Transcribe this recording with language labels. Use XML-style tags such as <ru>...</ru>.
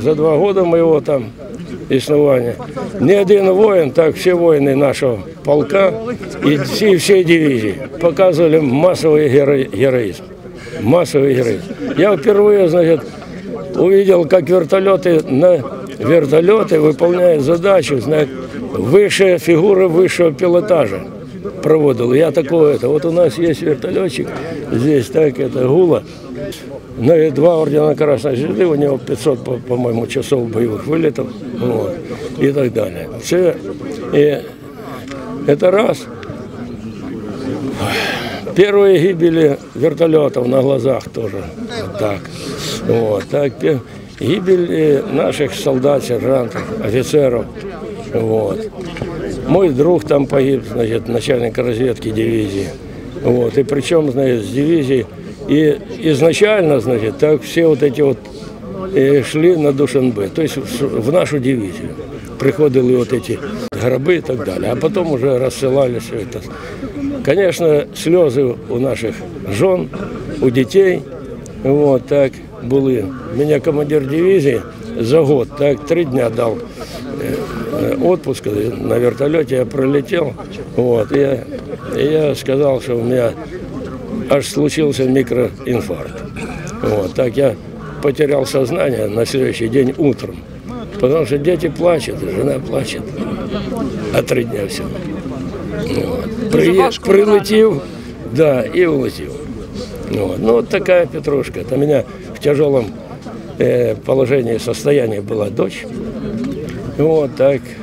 <uk>За два роки моєго там існування ні один воїн, так, всі воїни нашого полка і всі дивізії показували масовий героїзм. Масовий героїзм. Я вперше, значить, увидел, як вертольоти на вертольоти виконують задачу, знаєте, вище фігури вищого пілотажу проводили. Я такого, от у нас є вертольотчик,</uk> <ru>здесь так, это Гула.</ru> <uk>Ну, і два ордена Красної Звезди, у нього 500, по-моєму, часов бойових вилітів, вот, і так далі. Це, і, это раз.</uk> <ru>Первые гибели вертолетов на глазах тоже. Так. Вот, так. Гибель наших солдат, сержантов, офицеров. Вот. Мой друг там погиб, значит, начальник разведки дивизии. Вот. И причем, значит, с дивизии. И изначально, значит, так все вот эти вот шли на Душанбе. То есть в нашу дивизию приходили вот эти гроби и так далее. А потом уже рассылались все это.</ru> <uk>Конечно, сльози у наших жон, у дітей, вот так були. Мене командир дивізії за год, так, три дня дав відпуск на вертольоті, я пролетів. Вот, я сказав, що у мене аж случився мікроінфаркт. Вот,</uk> <ru>так я потеряв сознання на следующий день утром. Потому что дети плачут, жена плачет. А три дня все. Вот.</ru> <uk>Прилетів, да, и улетів. Вот.</uk> <ru>Ну, вот такая петрушка. Это у меня в тяжелом положении, состоянии была дочь. Вот так.</ru>